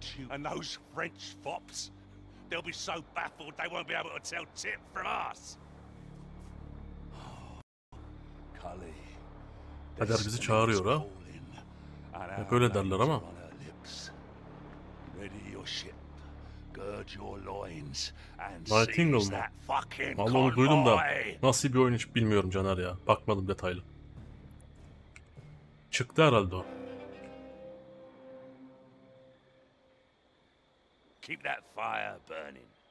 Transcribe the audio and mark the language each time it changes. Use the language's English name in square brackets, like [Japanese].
[English] And those French fops, they'll be so baffled they won't be able to tell tip from us. Kali, [Turkish] Kader bizi çağırıyor ha. Böyle derler ama. [English] Ready your ship, gird your loins and seize that fucking convoy. [Turkish] Vallahi duydum da nasıl bir oyun hiç bilmiyorum Caner ya. Bakmadım detaylı. Çıktı herhalde o. [English] Keep that fire burning.